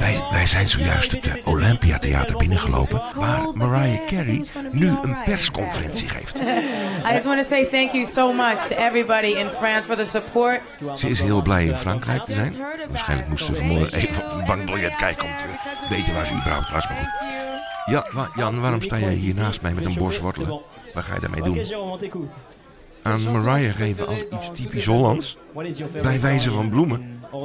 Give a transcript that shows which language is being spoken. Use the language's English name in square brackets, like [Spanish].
[Dutch] Wij zijn zojuist het Olympiatheater binnengelopen, waar Mariah Carey nu een persconferentie geeft. [English] I just want to say thank you so much to everybody in France for the support. [Dutch] Ze is heel blij in Frankrijk te zijn. Waarschijnlijk moest ze vanmorgen even op een bankbiljet kijken om te weten waar ze überhaupt was. Maar goed. Ja, Jan, waarom sta jij hier naast mij met een bos wortelen? Wat ga je daarmee doen? Aan Mariah geven als iets typisch Hollands, bij wijze van bloemen.